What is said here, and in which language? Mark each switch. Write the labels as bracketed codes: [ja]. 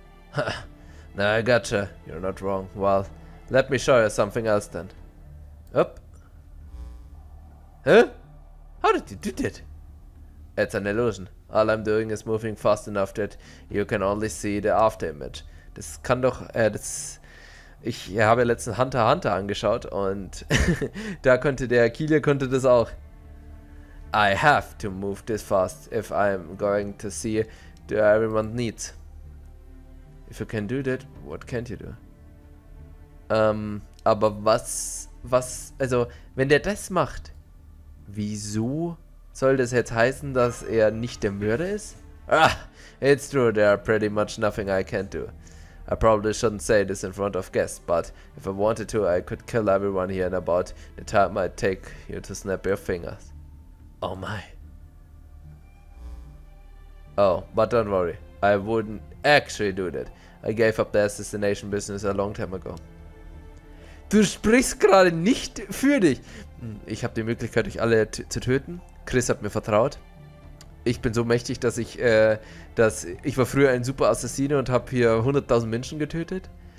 [en] Ha, now I gotcha. You're not wrong. Well, let me show you something else then. Up. Huh? How did you do that? It's an illusion. All I'm doing is moving fast enough that you can only see the afterimage. [de] Das kann doch, das... Ich habe letztens Hunter x Hunter angeschaut und da konnte der Kilia konnte das auch. [en] I have to move this fast if I'm going to see the everyone needs. If you can do that, what can't you do? [de] Aber was, also, wenn der das macht, wieso soll das jetzt heißen, dass er nicht der Mörder ist? [en] Ah, it's true, there are pretty much nothing I can't do. I probably shouldn't say this in front of guests, but if I wanted to, I could kill everyone here in about the time I'd take you to snap your fingers. Oh my. Oh, but don't worry. I wouldn't actually do that. I gave up the assassination business a long time ago. [de] Du sprichst gerade nicht für dich. Ich habe die Möglichkeit, euch alle zu töten. Chris hat mir vertraut. Ich bin so mächtig, dass ich, ich war früher ein super Assassine und habe hier 100.000 Menschen getötet.